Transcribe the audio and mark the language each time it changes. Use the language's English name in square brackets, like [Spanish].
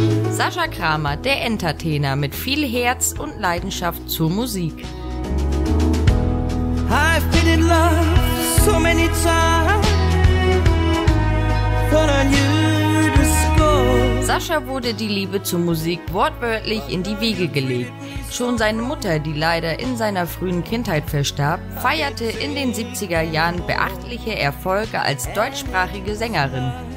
[German] Sascha Kramer, der Entertainer mit viel Herz und Leidenschaft zur Musik. [English] I've been in love so many times, but I knew the score. [German] Sascha wurde die Liebe zur Musik wortwörtlich in die Wiege gelegt. Schon seine Mutter, die leider in seiner frühen Kindheit verstarb, feierte in den 70er Jahren beachtliche Erfolge als deutschsprachige Sängerin.